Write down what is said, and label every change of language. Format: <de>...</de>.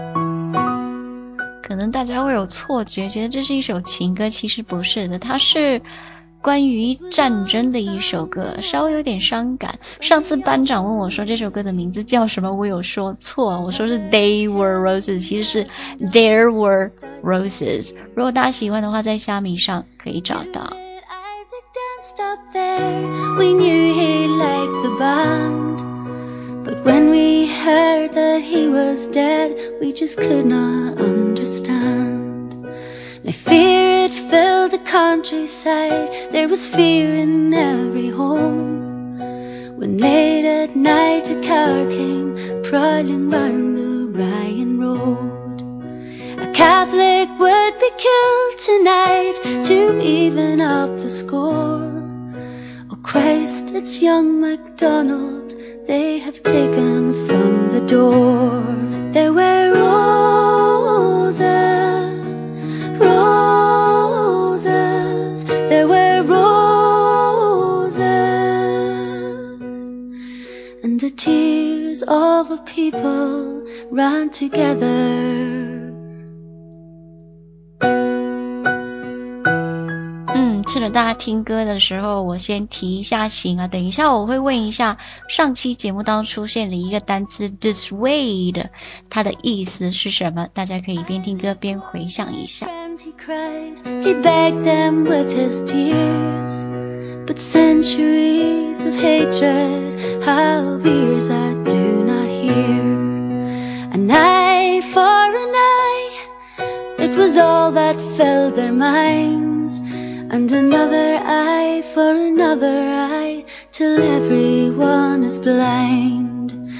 <en>Maybe</en> <zh>大家会有错觉，觉得这是一首情歌，其实不是的，它是关于战争的一首歌，稍微有点伤感。上次班长问我说这首歌的名字叫什么，我有说错，我说是 They Were Roses， 其实是 There Were Roses。如果大家喜欢的话，在虾米上可以找到。</zh> <en>Isaac didn't stop there. We knew he liked the band. But when we heard that he was dead, we just could not understand. I fear it filled the countryside. There was fear in every home. When late at night a car came prowling round the Ryan Road, a Catholic would be killed tonight to even up the score. Oh Christ, it's young MacDonald they have taken from the door. There were roses, roses, there were roses, and the tears of a people ran together.</en> <zh>趁着大家听歌的时候，我先提一下醒啊，等一下我会问一下上期节目当出现的一个单词 dissuade， 它的意思是什么，大家可以边听歌边回想一下。</zh> <en>He cried, he begged them with his tears, but centuries of hatred have ears that do not hear. An eye for an eye, it was all that filled their mindsAnd another eye for another eye, till everyone is blind.</en>